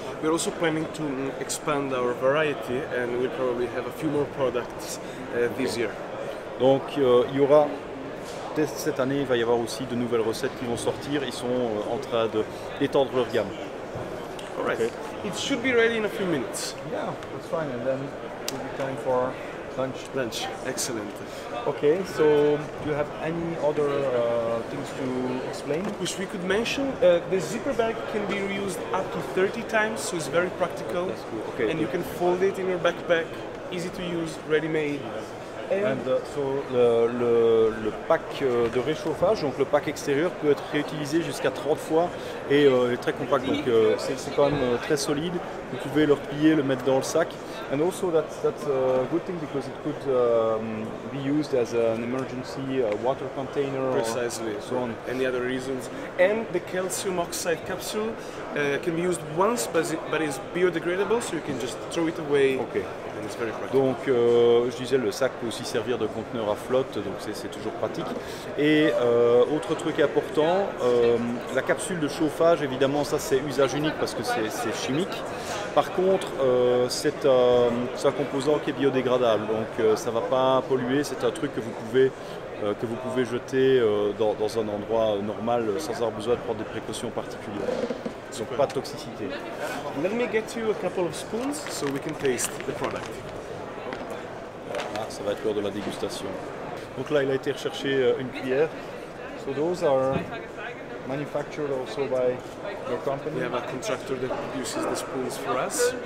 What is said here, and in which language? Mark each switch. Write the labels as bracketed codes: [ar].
[en] We're also planning to expand our variety and we'll probably have a few more products this year. [fr] Donc il y aura, cette année il va y avoir aussi de nouvelles recettes qui vont sortir, ils sont en train d'étendre leur gamme. [en] Alright, okay. It should be ready in a few minutes. Yeah, that's fine, and then it'll be time for lunch. Lunch, excellent. Okay, so do you have any other things to explain? Which we could mention, the zipper bag can be reused up to 30 times, so it's very practical. That's cool. Okay. And you can fold it in your backpack, easy to use, ready-made. And so [fr] le pack de réchauffage, donc le pack extérieur, peut être réutilisé jusqu'à 30 fois et est très compact, donc c'est quand même très solide. Vous pouvez le replier, le mettre dans le sac. [en] And also that's a good thing because it could be used as an emergency water container. Precisely. Or so on. Any other reasons? And the calcium oxide capsule can be used once, but it's biodegradable, so you can just throw it away. Okay. And it's very practical. [fr] Donc, je disais, le sac peut aussi servir de conteneur à flotte, donc c'est toujours pratique. Et autre truc important, la capsule de chauffage, évidemment, ça c'est usage unique parce que c'est chimique. Par contre, c'est un composant qui est biodégradable, donc ça ne va pas polluer. C'est un truc que vous pouvez jeter dans un endroit normal sans avoir besoin de prendre des précautions particulières. Donc pas de toxicité. [en] Let me get you a couple of spoons so we can taste the product. [fr] Ah, ça va être l'heure de la dégustation. Donc là, il a été recherché une cuillère. [en] So those are manufactured also by your company. We have a contractor that produces the spoons for us.